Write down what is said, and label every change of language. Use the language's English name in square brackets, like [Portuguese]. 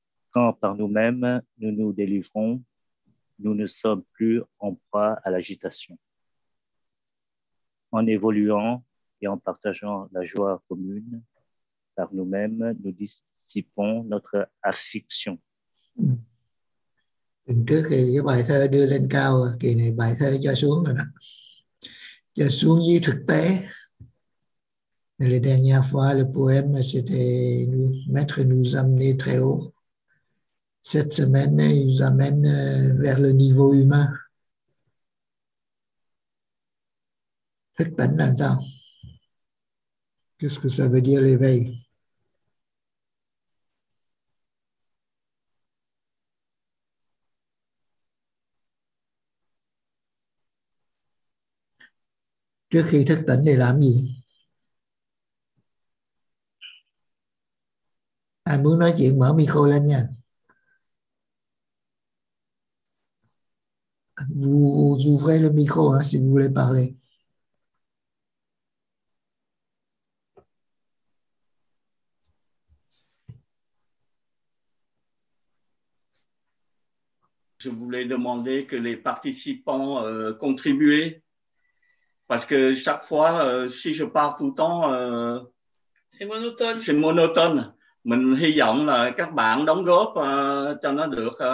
[French] Quand par nous-mêmes nous nous délivrons, nous ne sommes plus en proie à l'agitation. En évoluant et en partageant la joie commune, par nous-mêmes, nous dissipons notre affliction. [Vietnamese] Tuần trước thì cái bài thơ đưa lên cao, kỳ này bài thơ cho xuống rồi đó, cho xuống dưới thực tế. [French] La dernière fois, le poème, c'était Maître nous amenait très haut. Cette semaine, il nous amène vers le niveau humain. [Vietnamese] Thức tỉnh là sao? [French] Qu'est-ce que ça veut dire l'éveil? [Vietnamese] Trước khi thức tỉnh thì làm gì? Ai muốn nói chuyện mở micro lên nha. [French] Vous ouvrez le micro, hein, si vous voulez parler. Je voulais demander que les participants contribuent parce que chaque fois, si je pars tout le temps, C'est monotone. c'est monotone. [Vietnamese] Mình hy vọng là các bạn đóng góp cho nó được